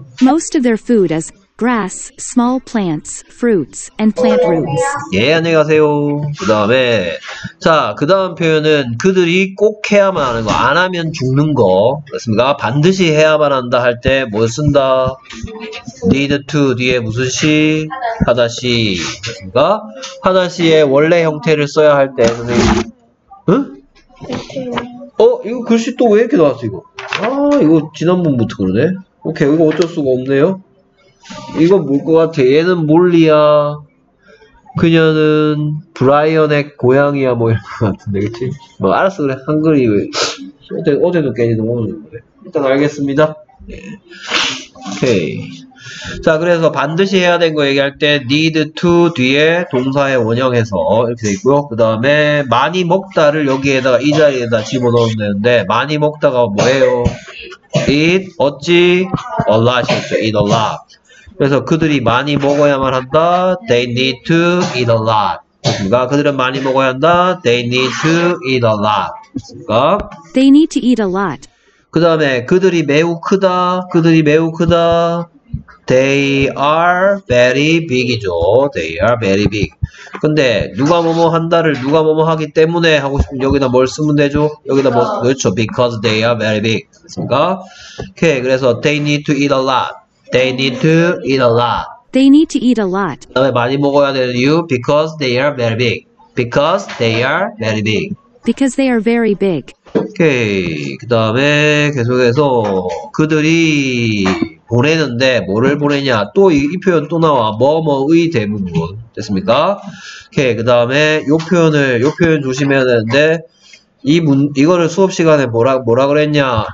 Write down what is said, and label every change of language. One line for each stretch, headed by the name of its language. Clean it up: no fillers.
English: Most of their food is grass, small plants, fruits, and plant roots.
Korean: 예, 안녕히 가세요. 그 다음에 자, 그 다음 표현은 그들이 꼭 해야만 하는 거, 안 하면 죽는 거 그렇습니까? 반드시 해야만 한다 할 때 뭘 쓴다? need to 뒤에 무슨 시? 하다시 그렇습니까? 하다시의 원래 형태를 써야 할 때는 응? 이거 글씨 또 왜 이렇게 나왔어, 이거? 이거 지난번부터 그러네? 오케이, 이거 어쩔 수가 없네요? 이건 뭘것 같아? 얘는 몰리야. 그녀는 브라이언의 고양이야, 뭐 이런 것 같은데, 그치? 뭐, 알았어, 그래. 한글이 왜. 어제도 깨지도 모르는데. 일단 알겠습니다. 네. 오케이. 자, 그래서 반드시 해야 되는 거 얘기할 때, need to 뒤에 동사의 원형에서 이렇게 돼 있고요. 그 다음에, 많이 먹다를 여기에다가 이 자리에다 집어넣었는데, 많이 먹다가 뭐예요?
English: eat, 어찌, a lot이었죠. eat a lot.
Korean: 그래서 그들이 많이 먹어야만 한다.
English: They need to eat a lot.
Korean: 그러니까 그들은 많이 먹어야 한다.
English: They need to eat a lot. 그러니까 They need to eat a lot.
Korean: 그 다음에 그들이 매우 크다. 그들이 매우 크다.
English: They are very big이죠. They are very big.
Korean: 근데 누가 뭐뭐 한다를 누가 뭐뭐 하기 때문에 하고 싶으면 여기다 뭘 쓰면 되죠? 여기다 뭐 그렇죠.
English: Because they are very big.
Korean: 그렇습니까? 오케이.
English: 그래서 they need to eat a lot. They need to eat a lot. They need to eat a lot.
Korean: 그다음에 많이 먹어야 되는 이유
English: because they are very big. Because they are very big. Because they are very big.
Korean: 오케이. 그다음에 계속해서 그들이 보내는데 뭐를 보내냐? 또 이 표현 또 나와. 뭐뭐의 대부분 됐습니까? 오케이. 그다음에 요 표현 조심해야 되는데 이거를 수업 시간에 뭐라 그랬냐?